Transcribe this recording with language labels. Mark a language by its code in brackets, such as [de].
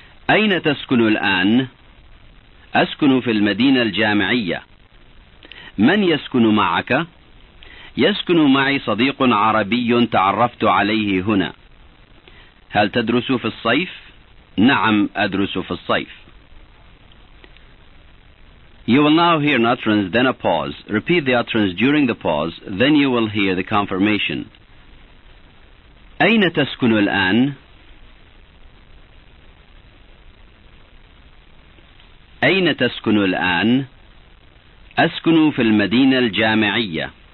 [ar] أين تسكن الآن؟ أسكن في المدينة الجامعية. من يسكن معك؟ يسكن معي صديق عربي تعرفت عليه هنا. هل تدرس في الصيف؟ نعم أدرس في الصيف. [en] You will now hear an utterance, then a pause. Repeat the utterance during the pause, then you will hear the confirmation. [ar] أين تسكن الآن؟ أين تسكن الآن؟ أسكن في المدينة الجامعية.